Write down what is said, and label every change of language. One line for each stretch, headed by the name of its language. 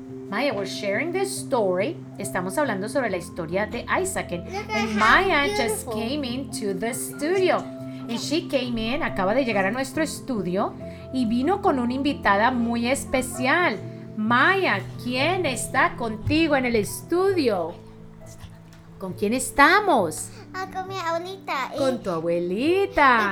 English: Maya, we're sharing this story.
Spanish: Estamos hablando sobre la historia de Isaac.
English: And Maya just came into the studio. And she came in,
Spanish: acaba de llegar a nuestro estudio, y vino con una invitada muy especial. Maya, ¿quién está contigo en el estudio? ¿Con quién estamos? Con mi abuelita. Con tu abuelita.